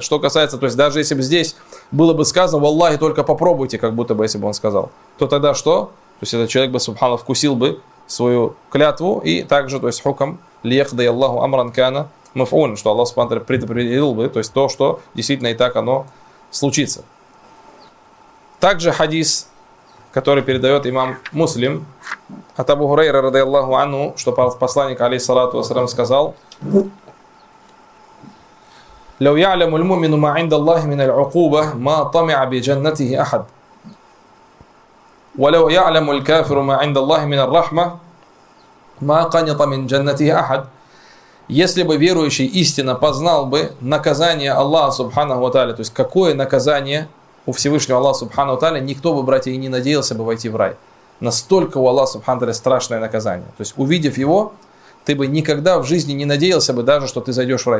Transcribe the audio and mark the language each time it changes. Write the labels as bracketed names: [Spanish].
[Russian] Что касается, то есть даже если бы здесь было бы сказано, «Валлахи, только попробуйте», как будто бы, если бы он сказал, то тогда что? То есть этот человек бы, субханаллах, вкусил бы свою клятву, и также, то есть, [Arabic] хукам лиехда яллаху амран кана мафуун, [Russian] что Аллах субхана ва тааля предупредил бы, то есть, то, что действительно и так оно случится. Также хадис, который передает имам Муслим от Абу Хурейры радиаллаху анху, что посланник алейхиссалату вассалям сказал: [Arabic] لو يعلم المؤمن ما عند الله من العقوبة ما طمع بجنته أحد ولو يعلم الكافر ما عند الله من الرحمة ما قنط من جنته أحد. [Russian] Если бы верующий истинно познал бы наказание Аллаха субханаху ва тааля, то есть какое наказание у Всевышнего Аллаха субханаху ва тааля, никто бы, братья, и не надеялся бы войти в рай. Настолько у Аллаха субханаху ва тааля страшное наказание. То есть, увидев его, ты бы никогда в жизни не надеялся бы даже, что ты зайдешь в рай.